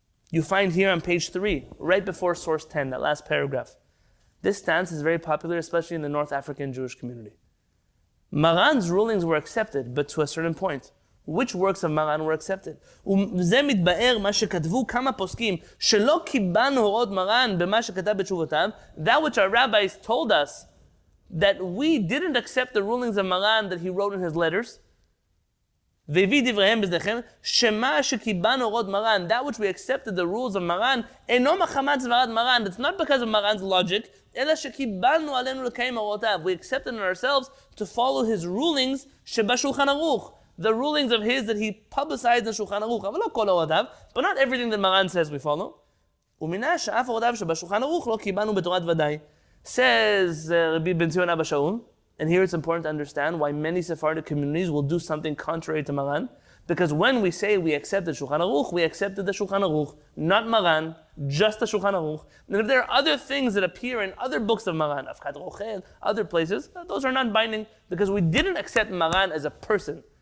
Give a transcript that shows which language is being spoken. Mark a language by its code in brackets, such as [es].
[en] You find here on page 3, right before source 10, that last paragraph, this stance is very popular, especially in the North African Jewish community. Maran's rulings were accepted, but to a certain point. Which works of Maran were accepted? [he] וזה מתבאר מה שכתבו כמה פוסקים שלא קיבלנו הוראות מרן במה שכתב בתשובותם. [en] That which our rabbis told us, that we didn't accept the rulings of Maran that he wrote in his letters. [he] והביא דבריהם בזדכם, שמה שקיבלנו הוראות מרן, [en] that which we accepted the rules of Maran, [he] אינו מחמת סברת מרן. [en] It's not because of Maran's logic, [he] אלא שקיבלנו עלינו לקיים הוראותיו. [en] We accepted on ourselves to follow his rulings שבשולחן ערוך. The rulings of his that he publicized in Shulchan Aruch. [he] אבל לא כל הוראותיו, [en] but not everything that Maran says we follow. [he] ומינה שאף הוראותיו שבשולחן ערוך לא קיבלנו בתורת ודאי. [en] Says רבי בן ציון אבא שאול, and here it's important to understand why many Sephardic communities will do something contrary to Maran. Because when we say we accepted Shulchan Aruch, we accepted the Shulchan Aruch, not Maran, just the Shulchan Aruch. And if there are other things that appear in other books of Maran, Avkad Rochel, other places, those are non-binding because we didn't accept Maran as a person.